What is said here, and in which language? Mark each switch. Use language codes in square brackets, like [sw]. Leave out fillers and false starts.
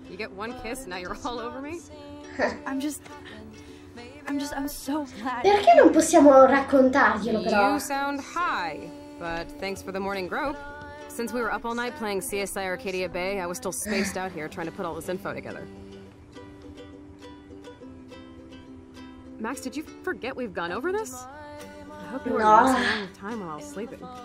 [en] You get one kiss, now you're all over me? I'm so glad. [it] Perché non possiamo raccontarglielo però? [en] You sound high, but thanks for the morning grope. Since we were up all night playing CSI Arcadia Bay, I was still spaced out here trying to put all this info together. Max, did you forget we've gone over this? I hope you were not spending time while I was sleeping.